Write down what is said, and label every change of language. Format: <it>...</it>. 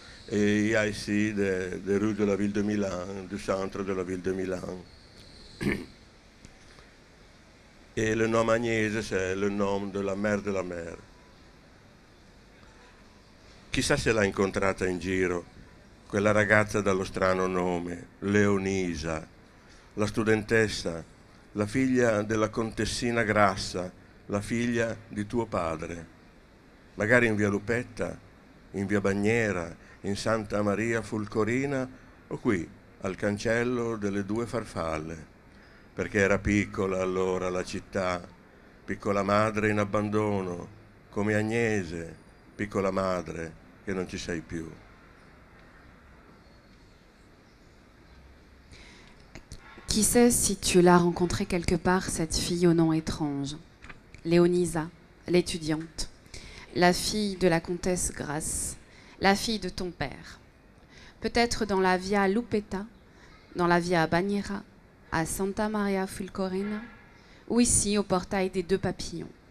<fr>Et il y a ici des rues de la ville de Milan, du centre de la ville de Milan. Et le nom Agnese, c'est le nom de la mère de la mère.</fr> <it>Chissà se l'ha incontrata in giro, quella ragazza dallo strano nome, Leonisa, la studentessa, la figlia della contessina Grassa, la figlia di tuo padre. Magari in via Lupetta, in via Bagnera, in Santa Maria Fulcorina o qui, al cancello delle due farfalle. Perché era piccola allora la città, piccola madre in abbandono, come Agnese, piccola madre, che non ci sei più.</it> <fr>Qui sait si tu l'as rencontrée quelque part, cette fille au nom étrange? Léonisa, l'étudiante, la fille de la comtesse Grasse, la fille de ton père. Peut-être dans la via Lupetta, dans la via Bagnera, à Santa Maria Fulcorina, ou ici au portail des Deux Papillons.</fr>